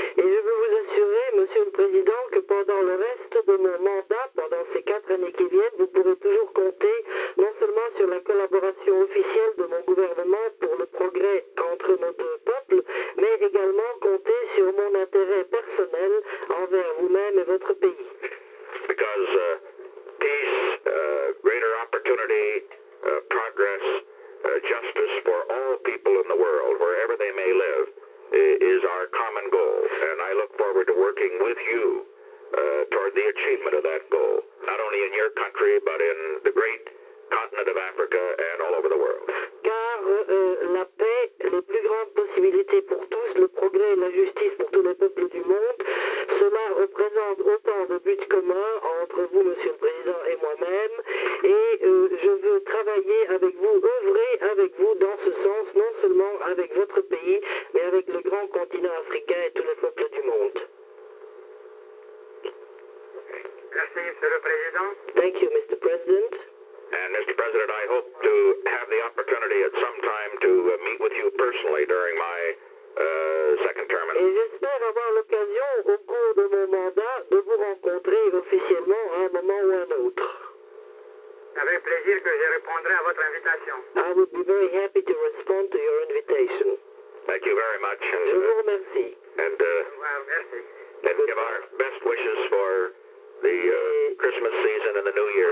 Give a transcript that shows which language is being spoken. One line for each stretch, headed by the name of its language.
French: Et je veux vous assurer, Monsieur le Président, que pendant le reste de mon mandat, pendant ces 4 années qui viennent, vous pourrez toujours compter non seulement sur la collaboration officielle de mon gouvernement pour le progrès entre nos deux peuples, mais également compter sur mon intérêt personnel envers vous-même et votre pays.
English: Because peace, greater opportunity, progress, justice for all people in the world, wherever they may live, is our common goal, and I look forward to working with you toward the achievement of that goal, not only only in your country, but in the great continent of Africa and all over the world.
French: Car la paix, les plus grandes possibilités pour tous, le progrès et la justice pour tous les peuples du monde, cela représente autant de buts communs entre vous, Monsieur le Président, et moi-même, et je veux travailler avec vous, œuvrer avec vous dans ce sens, non seulement avec votre pays, mais avec le grand continent africain et tous les peuples du monde. Merci, Monsieur le Président.
English: Thank you, Mr. President. And, Mr. President, I hope to have the opportunity at some time to meet with you personally during my second term.
French: Et j'espère avoir l'occasion, au cours de mon mandat, de vous rencontrer officiellement à un moment ou un autre. Avec plaisir que je répondrai à votre invitation.
English: I would be very happy to respond to your invitation. Thank you very much.
French: And, je vous remercie.
English: And,
French: merci.
English: And give our best wishes for the Christmas season and the New Year.